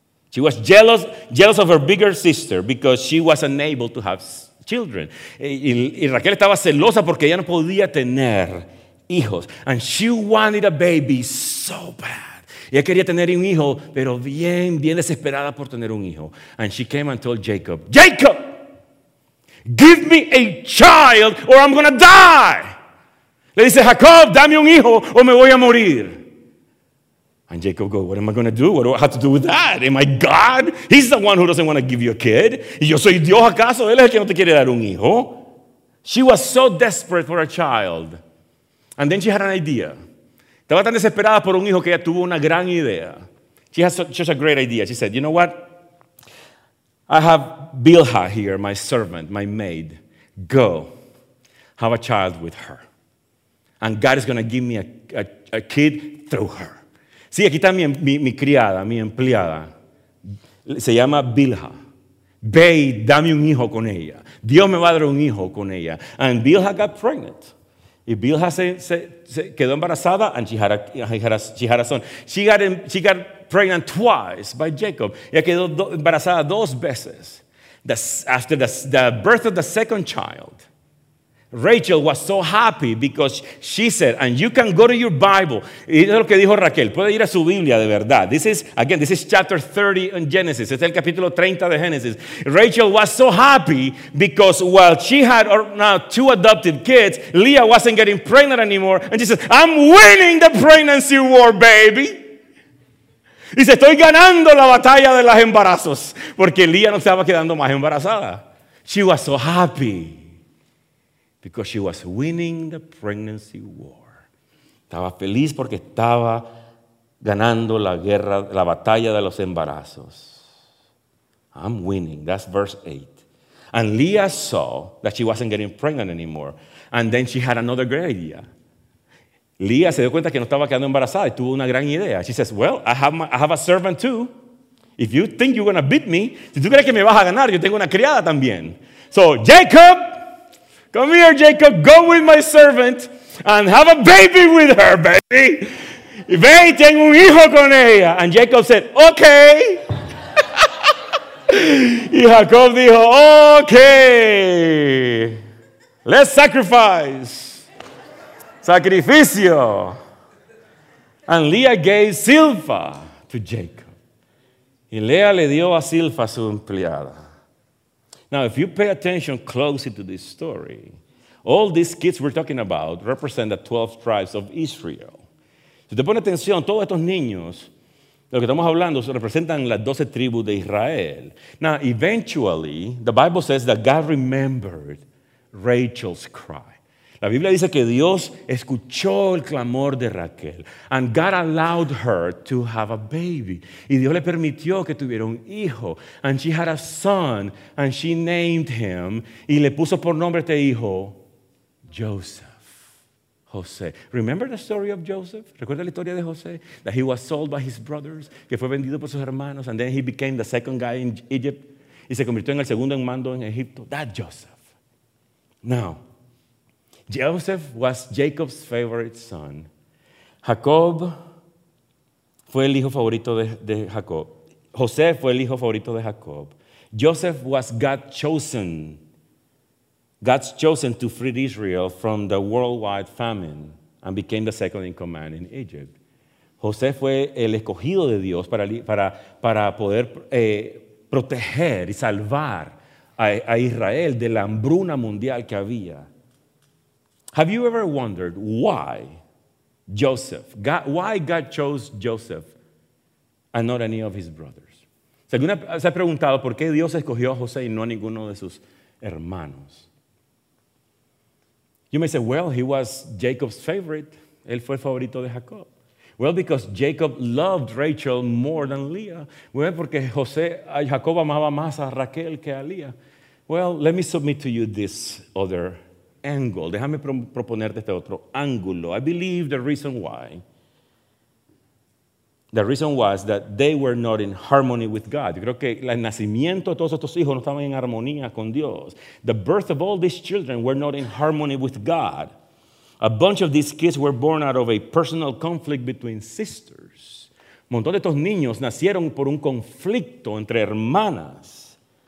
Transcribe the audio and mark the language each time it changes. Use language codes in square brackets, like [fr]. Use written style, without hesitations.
[en] She was jealous of her bigger sister because she was unable to have children. [es] Y Raquel estaba celosa porque ella no podía tener hijos. [en] And she wanted a baby so bad. [es] Ella quería tener un hijo, pero bien, bien desesperada por tener un hijo. [en] And she came and told Jacob, Jacob, give me a child or I'm going to die. [es] Le dice, Jacob, dame un hijo o me voy a morir. [en] And Jacob goes, what am I going to do? What do I have to do with that? Am I God? He's the one who doesn't want to give you a kid. [es] ¿Yo soy Dios acaso? Él es el que no te quiere dar un hijo. [en] She was so desperate for a child. And then she had an idea. [es] Estaba tan desesperada por un hijo que ella tuvo una gran idea. [en] She has such a great idea. She said, you know what? I have Bilhah here, my servant, my maid. Go, have a child with her. And God is going to give me a kid through her. [es] Sí, aquí está mi criada, mi empleada. Se llama Bilhah. Ve y dame un hijo con ella. Dios me va a dar un hijo con ella. [en] And Bilhah got pregnant. [es] Y Bilhah se quedó embarazada [en] and she had a son. She got pregnant twice by Jacob. [es] Ella quedó embarazada dos veces. [en] After the birth of the second child, Rachel was so happy because she said, and you can go to your Bible. [es] Y eso es lo que dijo Raquel. Puede ir a su Biblia de verdad. [en] This is chapter 30 in Genesis. [es] Este es el capítulo 30 de Genesis. [en] Rachel was so happy because while she had now two adopted kids, Leah wasn't getting pregnant anymore. And she said, I'm winning the pregnancy war, baby. [es] Y dice, estoy ganando la batalla de los embarazos. Porque Leah no estaba quedando más embarazada. [en] She was so happy. Because she was winning the pregnancy war. [es] Estaba feliz porque estaba ganando la guerra, la batalla de los embarazos. [en] I'm winning. That's verse 8. And Leah saw that she wasn't getting pregnant anymore. And then she had another great idea. [es] Leah se dio cuenta que no estaba quedando embarazada y tuvo una gran idea. [en] She says, well, I have a servant too. If you think you're going to beat me, [es] si tú crees que me vas a ganar, yo tengo una criada también. [en] So, Jacob, come here, Jacob, go with my servant and have a baby with her, baby. [es] Ve, tengo un hijo con ella. [en] And Jacob said, okay. [es] Y Jacob dijo, okay, [en] let's sacrifice. [es] Sacrificio. [en] And Leah gave Zilpha to Jacob. [es] Y Leah le dio a Zilpha su empleada. [en] Now, if you pay attention closely to this story, all these kids we're talking about represent the 12 tribes of Israel. [es] Si te pone atención, todos estos niños, de lo que estamos hablando, representan las 12 tribus de Israel. [en] Now, eventually, the Bible says that God remembered Rachel's cry. [es] La Biblia dice que Dios escuchó el clamor de Raquel. [en] And God allowed her to have a baby. [es] Y Dios le permitió que tuviera un hijo. [en] And she had a son. And she named him. [es] Y le puso por nombre este hijo, Joseph. José. [en] Remember the story of Joseph? [es] ¿Recuerda la historia de José? [en] That he was sold by his brothers. [es] Que fue vendido por sus hermanos. [en] And then he became the second guy in Egypt. [es] Y se convirtió en el segundo en mando en Egipto. [en] That Joseph. Now, Joseph was Jacob's favorite son. [es] Jacob fue el hijo favorito de Jacob. José fue el hijo favorito de Jacob. [en] Joseph was God's chosen to free Israel from the worldwide famine and became the second in command in Egypt. [es] José fue el escogido de Dios para poder proteger y salvar a Israel de la hambruna mundial que había. [en] Have you ever wondered why God chose Joseph and not any of his brothers? [es] ¿Se ha preguntado por qué Dios escogió a José y no a ninguno de sus hermanos? [en] You may say, well, he was Jacob's favorite. [es] Él fue el favorito de Jacob. [en] Well, because Jacob loved Rachel more than Leah. [es] Well, porque Jacob amaba más a Raquel que a Leah. [en] Well, let me submit to you this other angle. [es] Déjame proponerte este otro ángulo. [en] I believe the reason why is that they were not in harmony with God. [es] Yo creo que el nacimiento de todos estos hijos no estaban en armonía con Dios. [en] The birth of all these children were not in harmony with God. A bunch of these kids were born out of a personal conflict between sisters. [es] Un montón de estos niños nacieron por un conflicto entre hermanas.